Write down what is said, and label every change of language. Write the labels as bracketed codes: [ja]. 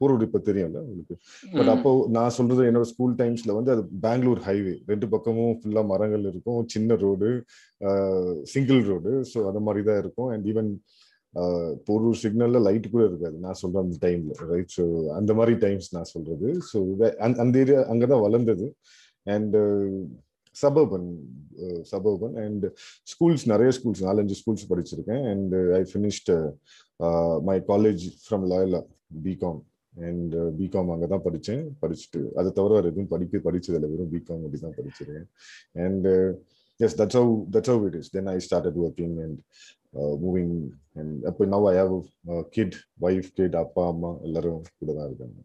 [ta] போரூர் இப்ப தெரியும்ல உங்களுக்கு. பட் அப்போ நான் சொல்றது என்னோட ஸ்கூல் டைம்ஸ்ல வந்து அது பெங்களூர் ஹைவே, ரெண்டு பக்கமும் ஃபுல்லா மரங்கள் இருக்கும், சின்ன ரோடு, சிங்கிள் ரோடு, ஸோ அந்த மாதிரி தான் இருக்கும். அண்ட் ஈவன் போரூர் சிக்னல்ல லைட் கூட இருக்காது நான் சொல்ற அந்த டைம்ல, ரைட்? ஸோ அந்த மாதிரி டைம்ஸ் நான் சொல்றது. ஸோ அந்த ஏரியா அங்கதான் வளர்ந்தது. [en] And suburban and schools, [ta] நிறைய ஸ்கூல்ஸ், நாலஞ்சு ஸ்கூல்ஸ் படிச்சிருக்கேன். [en] And I finished my college from Loyola, BCom. [ta] And BCom அங்கே தான் படித்தேன். படிச்சுட்டு அதை தவிர வேறு எதுவும் படிக்க படித்ததில்லை, வெறும் பிகாம் அப்படி தான் படிச்சிருக்கேன். [en] And yes, that's how it is. Then I started working and moving. And now I have a kid, wife, kid, [ta] அப்பா அம்மா எல்லாரும் கூட தான் இருக்காங்க.